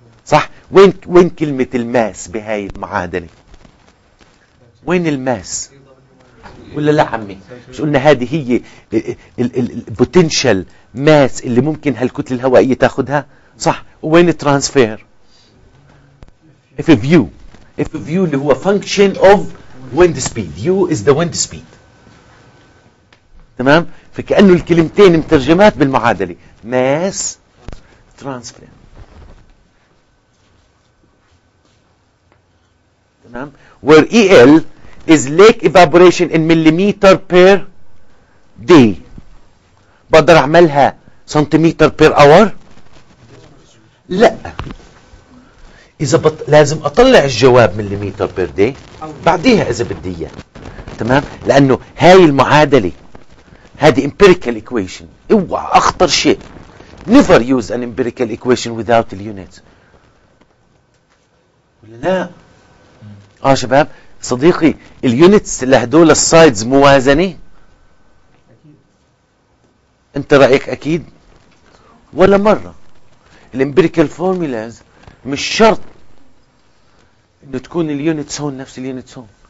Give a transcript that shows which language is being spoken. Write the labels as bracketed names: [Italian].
[Arabic] صح؟ وين كلمة الماس بهاي المعادلة؟ وين الماس؟ ولا لا عمي؟ مش قلنا هذه هي البوتنشال ماس اللي ممكن هالكتلة الهوائية تاخدها؟ صح؟ وين الترانسفير؟ if a view اللي هو [English] function of wind speed. U is the wind speed. [Arabic] تمام؟ فكأنه الكلمتين مترجمات بالمعادلة [English] mass transfer. [Arabic] تمام؟ [English] where EL is lake evaporation in millimeter per day. [Arabic] بقدر أعملها سنتيمتر per hour؟ لا، إذا لازم أطلع الجواب [English] millimeter per day [Arabic] بعديها إذا بدي إياه. تمام؟ لأنه هاي المعادلة هذه [English] empirical equation. [Arabic] اوعى اخطر شيء، [English] never use an empirical equation without the units. [Arabic] ولا لا؟ شباب صديقي اليونتس لهدول السايدز موازنه؟ اكيد. انت رايك اكيد؟ ولا مره. الامبيريكال فورمولاز مش شرط انه تكون اليونتس هون نفس اليونتس هون.